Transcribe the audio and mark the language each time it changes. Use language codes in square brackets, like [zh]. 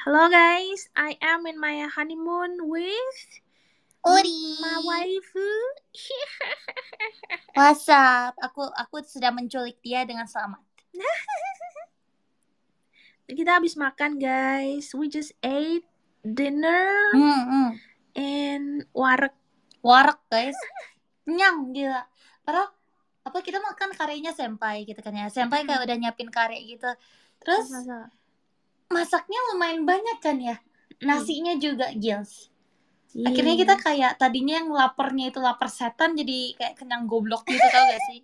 [en] Hello guys, I am in my honeymoon with Ori. my waifu. What's up? [id] Aku sedang menculik dia dengan selamat. Kita habis makan guys. [en] We just ate dinner in warak. [id] Warak guys. Nyang gila. Padahal apa kita makan karenya senpai gitu kan ya. Senpai kayak udah nyiapin kare gitu. Terus masaknya lumayan banyak kan ya. Nasinya juga gils. Akhirnya kita kayak tadinya yang laparnya itu lapar setan jadi kayak kenyang goblok gitu tau gak sih?